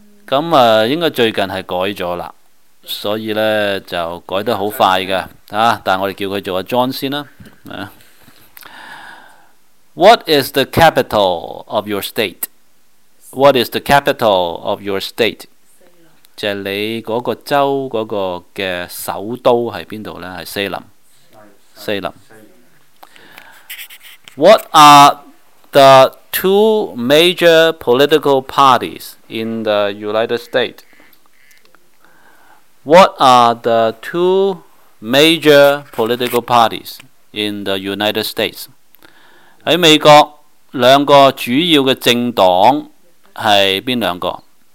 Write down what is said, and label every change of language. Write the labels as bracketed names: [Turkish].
[Chinese] 那應該最近是改了了，所以呢就改得很快的，啊，但我們叫他做John先啦，啊。 [English] What is the capital of your state? What is the capital of your state? [Chinese] 就是你那個州那個的首都是哪裡呢？是西林。西林。 [English] What are the two major political parties in the United States? What are the two major political parties in the United States? [Chinese] 在美國兩個主要的政黨是哪兩個？